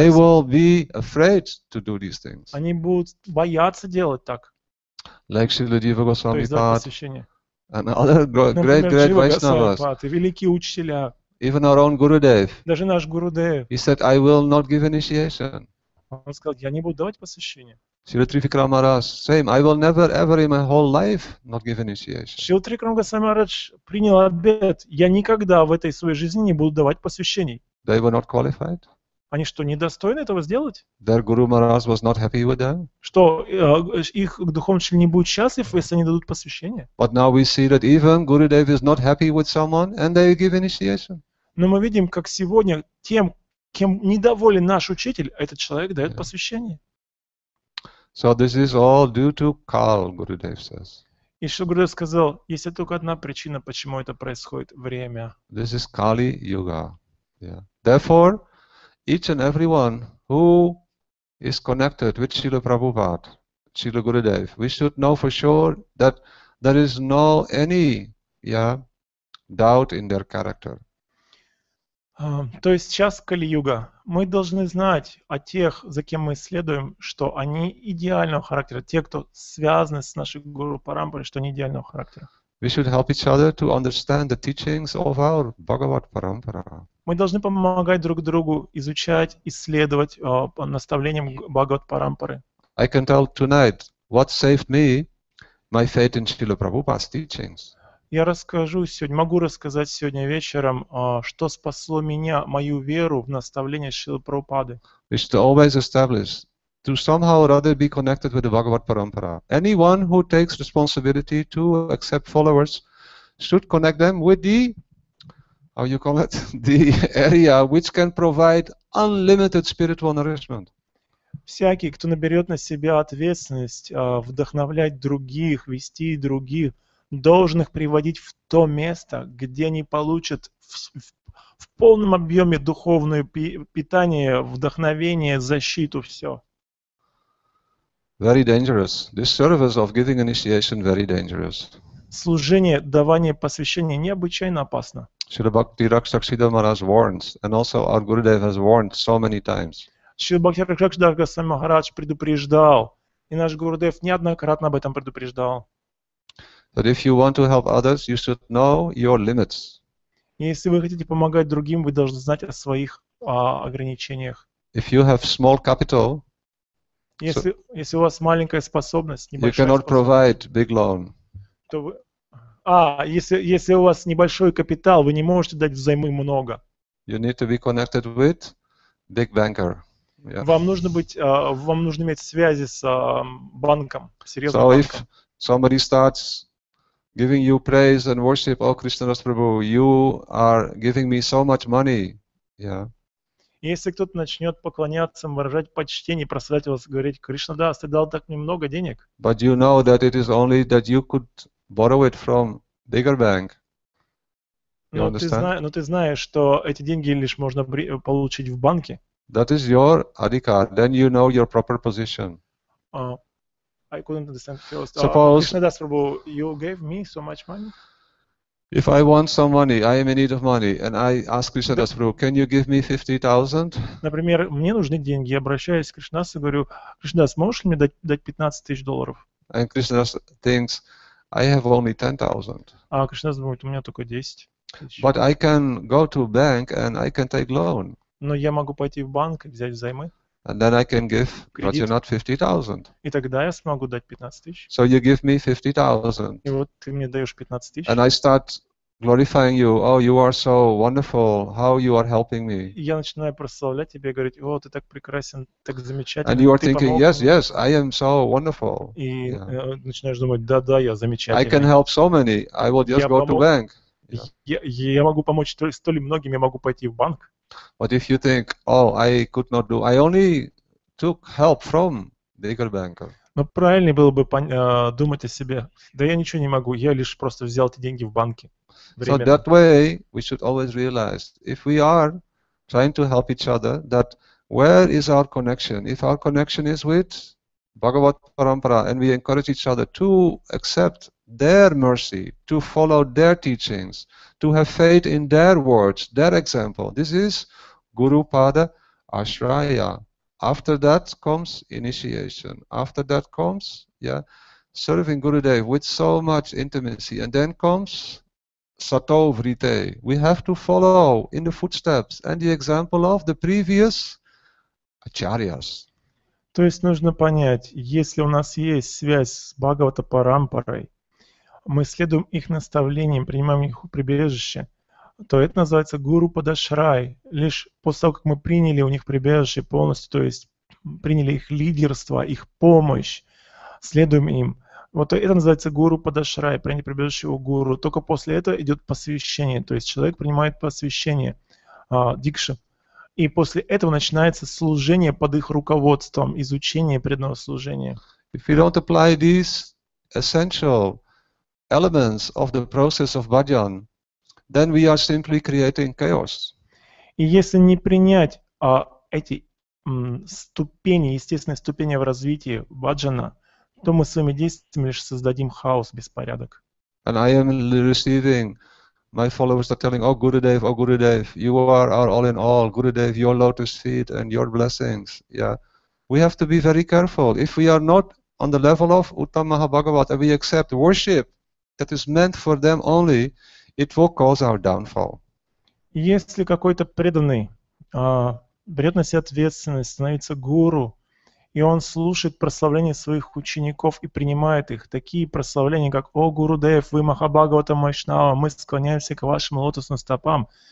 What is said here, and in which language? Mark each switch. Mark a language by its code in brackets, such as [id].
[en] They will be afraid to do these things. [ru] Они будут бояться делать так. [en] Like Srila Jiva Goswami Pad, and other great, great Vaishnavas, [ru] великие учителя, [en] even our own Gurudev, [ru] даже наш Гурудев, [en] he said, I will not give initiation. [ru] Он сказал, я не буду давать посвящение. [en] Srila Trifikram Maharaj, same, I will never, ever in my whole life not give initiation. [ru] Srila Trifikram Maharaj принял обет, я никогда в этой своей жизни не буду давать посвящений. [en] They were not qualified. [ru] Они что, недостойны этого сделать? [en] Their Guru Maharaj was not happy with them. [ru] Что, их духовный член не будет счастлив, если они дадут посвящение? [en] But now we see that even Gurudev is not happy with someone, and they give initiation. [ru] Но мы видим, как сегодня тем, кем недоволен наш учитель, этот человек дает посвящение. [en] So this is all due to Kal, Gurudev says. [ru] И что Гурудев сказал, есть только одна причина, почему это происходит, время. [en] This is Kali Yuga. Yeah. Therefore, each and everyone who is connected with Srila Prabhupada, Srila Gurudev, we should know for sure that there is no any doubt in their character. [ru] То есть сейчас Кали-юга. Мы должны знать о тех, за кем мы следуем, что они идеального характера. Те, кто связаны с нашим Гуру Парампарой, что они идеального характера. [en] We should help each other to understand the teachings of our Bhagavad Parampara. [ru] Мы должны помогать друг другу изучать, исследовать наставлениям Бхагавад Парампары. [en] I can tell tonight what saved me, my faith in Srila Prabhupada's teachings. [ru] Я расскажу сегодня, могу рассказать сегодня вечером, что спасло меня, мою веру в наставления Шрилы Прабхупады. [en] Is to always establish to somehow or other be connected with the Bhagavad Parampara. Anyone who takes responsibility to accept followers should connect them with the, how you call it, the area which can provide unlimited spiritual nourishment. [ru] всякий, кто наберет на себя ответственность вдохновлять других, вести других, должен их приводить в то место, где они получат в полном объеме духовное питание, вдохновение, защиту, все. [en] Very dangerous. This service of giving initiation very dangerous. [ru] Служение, давание посвящения необычайно опасно. [en] Srila Bhakti Rakshak Siddha Maharaj warns, and also our Gurudev has warned so many times. [ru] Srila Bhakti Rakshak Siddha Maharaj предупреждал, и наш Гурудев неоднократно об этом предупреждал. [en] That if you want to help others, you should know your limits. [ru] Если вы хотите помогать другим, вы должны знать о своих ограничениях. [en] If you have small capital, [ru] если у вас маленькая способность, небольшая, [en] you cannot provide big loan. [ru] То вы, если у вас небольшой капитал, вы не можете дать взаймы много. [en] You need to be connected with big banker. Yeah. [ru] Вам нужно иметь связи с банком, серьезным банком. [en] So if somebody starts giving you praise and worship, oh Krishna Das Prabhu, you are giving me so much money. Yeah. [ru] Если кто-то начнет поклоняться, выражать почтение, прославлять вас, говорить, Кришна Дас, ты дал так немного денег. [en] But you know that it is only that you could borrow it from bigger bank. [ru] Но ты знаешь, что эти деньги лишь можно получить в банке. [en] That is your adhikar. Then you know your proper position. I couldn't understand first. Suppose, Krishna Das Prabhu, you gave me so much money. If I want some money, I am in need of money, and I ask Krishna Das Prabhu, can you give me 50,000? [ru] Например, мне нужны деньги. Я обращаюсь к Кришна и говорю, Кришна Дас, можешь ли мне дать 15,000 долларов? [en] And Krishna Das thinks, I have only 10,000. [ru] А Кришна Дас говорит, у меня только 10,000. [en] But I can go to bank and I can take loan. [ru] Но я могу пойти в банк и взять взаймы. [en] And then I can give, [ru] кредит. [en] But you're not 50,000. [ru] И тогда я смогу дать 15,000. [en] So you give me 50,000. [ru] И вот ты мне даешь 15,000. [en] And I start glorifying you. Oh, you are so wonderful. How you are helping me. [ru] И я начинаю прославлять тебя и говорить, о, ты так прекрасен, так замечательный. [en] And you are thinking, yes, yes, I am so wonderful. [ru] И yeah. Начинаешь думать, да, я замечательный. [en] I can help so many. I will just go to bank. Yeah. [ru] Я могу помочь столь многим, я могу пойти в банк. [en] But if you think, oh, I could not do, I only took help from the bigger banker. [ru] Но правильнее было бы думать о себе. Да я ничего не могу, я лишь просто взял эти деньги в банке. [en] So that way we should always realize, if we are trying to help each other, that where is our connection? If our connection is with Bhagavad Parampara, and we encourage each other to accept their mercy, to follow their teachings, to have faith in their words, their example. This is Guru Pada Ashraya. After that comes initiation. After that comes, yeah, serving Gurudev with so much intimacy. And then comes Satovrite. We have to follow in the footsteps and the example of the previous Acharyas. [ru] То есть нужно понять, если у нас есть связь с Бхагавата Парампарой, мы следуем их наставлениям, принимаем их прибежище, то это называется Гуру Падашрай. Лишь после того, как мы приняли у них прибежище полностью, то есть приняли их лидерство, их помощь, следуем им. Вот это называется Гуру Падашрай, принять прибежище у Гуру. Только после этого идет посвящение, то есть человек принимает посвящение, дикша. И после этого начинается служение под их руководством, изучение преданного служения. [en] If we don't apply these essential elements of the process of bhajan, then we are simply creating chaos. [ru] И если не принять эти ступени, естественные ступени в развитии бхаджана, то мы своими действиями лишь создадим хаос, беспорядок. [en] And I am receiving. My followers are telling, oh Gurudev, you are our all in all, Gurudev, your lotus feet and your blessings. Yeah. We have to be very careful. If we are not on the level of Uttam Mahabhagavat and we accept worship that is meant for them only, it will cause our downfall. [ru] Если какой-то преданный берет на себя ответственность, становится гуру, и он слушает прославление своих учеников и принимает их. Такие прославления, как «О Гурудев, вы Махабхагавата Майшнава, мы склоняемся к вашим лотосным стопам».